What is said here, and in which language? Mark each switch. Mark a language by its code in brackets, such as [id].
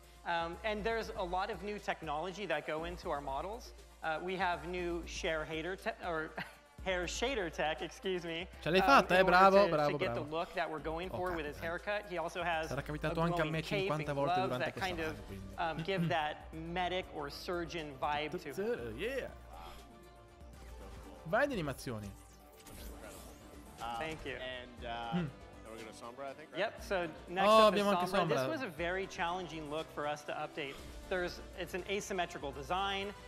[en] And there's a lot of new technology that go into our models. We have new share hater hair shader tech, excuse me. [it] Ce l'hai fatta, bravo. [en] To get the look that we're going for with his haircut. He also has [it] sarà capitato anche a me 50 volte durante questa live, quindi. [en] Give that medic or surgeon vibe to him. Yeah. [it] Vai di animazioni. [en] Thank you. And we're going to Sombra, I think, right? Yep, so next up [it] abbiamo anche [en] Sombra. This was a very challenging look for us to update. It's an asymmetrical design.